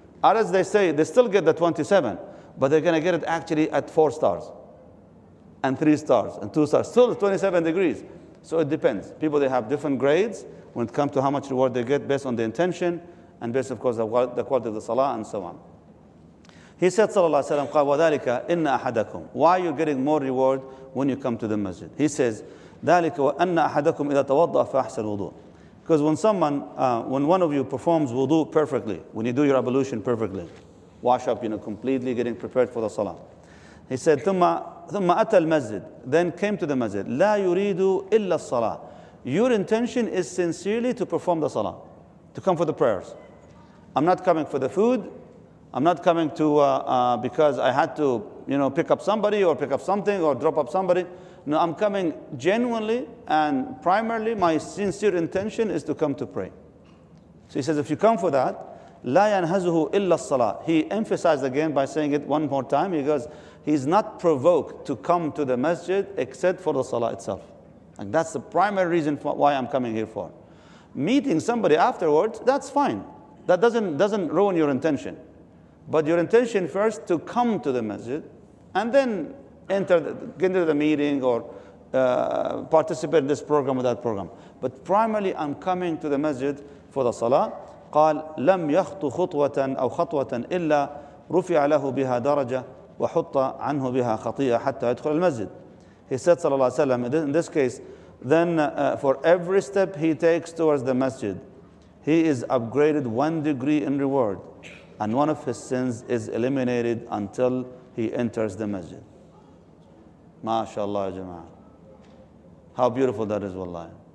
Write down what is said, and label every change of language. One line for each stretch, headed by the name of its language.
English: Others, they say, they still get the 27, but they're gonna get it actually at 4 stars, and 3 stars, and 2 stars, still 27 degrees. So it depends. People, they have different grades when it comes to how much reward they get based on the intention, and based, of course, the quality of the salah, and so on. He said, sallallahu alayhi wa sallam,
Arabic: قَالَ وَذَلِكَ إِنَّ أَحَدَكُمْ.
English: Why are you getting more reward when you come to the masjid? He says,
Arabic: ذَلِكَ وَأَنَّ أَحَدَكُمْ إِذَا تَوَضَّى فَأَحْسَنُ وُضُوءٍ.
English: Because when someone, when one of you performs wudu perfectly, when you do your ablution perfectly, wash up, you know, completely getting prepared for the salah. He said,
Arabic: ثُمَّ أَتَى الْمَسْجِد.
English: Then came to the masjid.
Arabic: لَا يُرِيدُ إِلَّا الصَّلَاةِ.
English: Your intention is sincerely to perform the salah, to come for the prayers. I'm not coming for the food. I'm not coming to because I had to, you know, pick up somebody or pick up something or drop up somebody. No, I'm coming genuinely and primarily. My sincere intention is to come to pray. So he says, if you come for that,
Arabic: لا ينهزه إلا الصلاة.
English: He emphasized again by saying it one more time. He goes, he's not provoked to come to the masjid except for the salah itself. And that's the primary reason for why I'm coming here for. Meeting somebody afterwards, that's fine. That doesn't ruin your intention. But your intention first to come to the masjid and then get into the meeting or participate in this program or that program. But primarily, I'm coming to the masjid for the salah.
Arabic: قال لم يخط خطوة أو خطوة إلا رفع له بها درجة وحط عنه بها خطيئة حتى يدخل المسجد.
English: He said,
Arabic: صلى الله عليه وسلم,
English: in this case, then for every step he takes towards the masjid, he is upgraded 1 degree in reward. And one of his sins is eliminated until he enters the masjid. MashaAllah, jama'ah. How beautiful that is, wallahi.